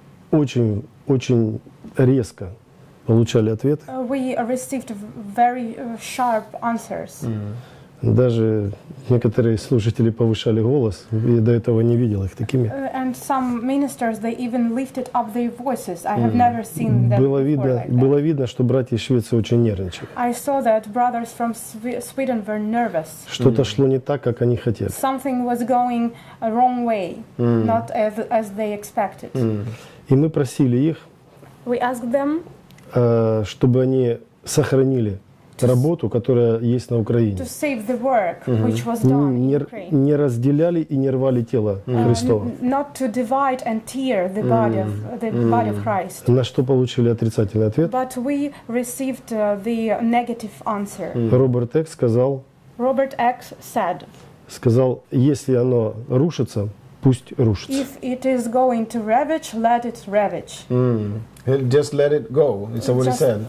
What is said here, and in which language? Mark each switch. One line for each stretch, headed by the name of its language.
Russian: Очень, очень резко получали ответы.
English: We received very sharp answers. Mm-hmm.
Russian: Даже некоторые служители повышали голос, и до этого не видел их такими.
English: And some ministers, they even lifted up their voices. I have never seen them
Russian: было видно,
English: before like that.
Russian: Было видно, что братья из Швеции очень нервничали.
English: I saw that brothers from Sweden were nervous.
Russian: Что-то шло не так, как они хотели.
English: Something was going a wrong way, not as they expected.
Russian: И мы просили их,
English: we asked them,
Russian: чтобы они сохранили работу, которая есть на Украине.
English: To save the work, which was done in Ukraine.
Russian: Не разделяли и не рвали тело Христова.
English: Not to divide and tear the body of the body of Christ.
Russian: На что получили отрицательный ответ?
English: But we received the negative answer.
Russian: Роберт Экс сказал.
English: Robert X said.
Russian: Сказал, если оно рушится, пусть рушится.
English: If it is going to ravage, let it ravage. Just let it go. It's what he said.